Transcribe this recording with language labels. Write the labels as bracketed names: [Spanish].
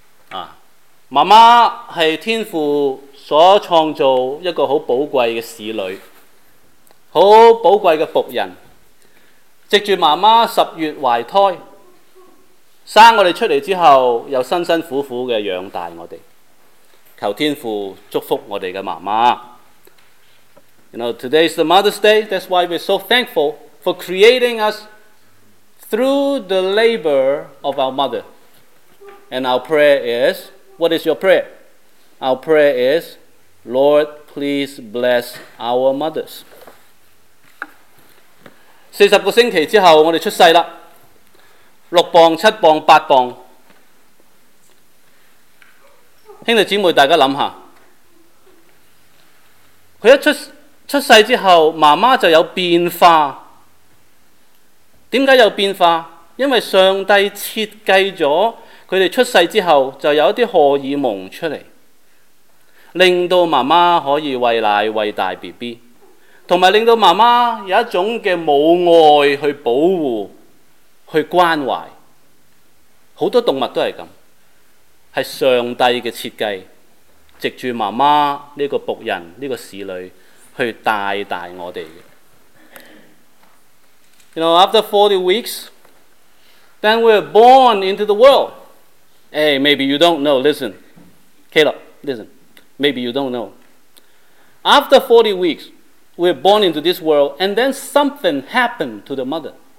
[Cantonese] 啊，媽媽係天父所創造一個很寶貴的使女，很寶貴的仆人，藉著媽媽十月懷胎生我們出來之後，又辛辛苦苦地養大我們，求天父祝福我們的媽媽。 [English] You know, today is the Mother's Day. That's why we're so thankful for creating us through the labor of our mother. And our prayer is, what is your prayer? Our prayer is, Lord, please bless our mothers. [Cantonese] 40个星期之后，我们出世了，6磅、7磅、8磅。兄弟姊妹，大家想想，他一 出世之后，妈妈就有变化。为什么有变化？因为上帝设计了他们出世之后就有一些荷尔蒙出来，令到妈妈可以喂奶喂大 BB， 同埋令到妈妈有一种的母爱去保护去关怀。很多动物都是这样，是上帝的设计，藉着妈妈这个仆人这个侍女去带大我们。 [English] You know, after 40 weeks then we're born into the world. Hey, maybe you don't know. Listen, Caleb, listen. Maybe you don't know. After 40 weeks, we're born into this world, and then something happened to the mother.